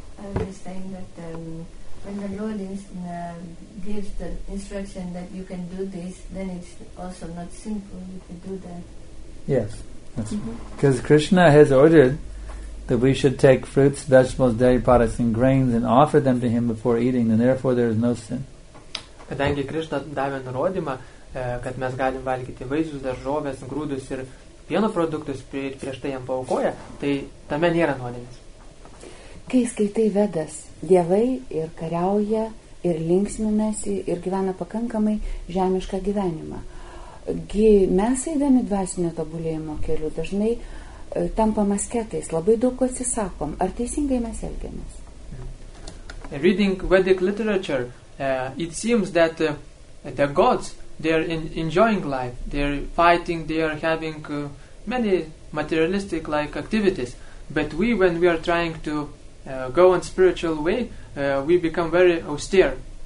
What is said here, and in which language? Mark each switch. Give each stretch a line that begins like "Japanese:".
English: I'm just saying that when the Lord gives the instruction that you can do this, then it's also not simple. You can do that. Yes. Because mm-hmm. right. Krishna has ordered that we should take fruits, vegetables, dairy products and grains and offer them to him before eating, and therefore there is no sin.
Lithuanian: Kadangi Krishna davė nurodymą, kad mes galim valgyti vaisius, daržoves, grūdus ir pieno produktus ir prieš tai jam paukoja, tai tame nėra nuodėmės. Kai skaitai vedas, dievai ir kariauja ir linksminasi ir gyvena pakankamai žemišką gyvenimą. Mes eidami dvasinio tobulėjimo keliu dažnai tampam asketais, labai daug atsisakom. Ar teisingai mes elgiamės?
English: Reading Vedic literature, it seems that the gods, they are enjoying life, they are fighting, they are having many materialistic like activities, but we, when we are trying to go on spiritual way, we become very austere.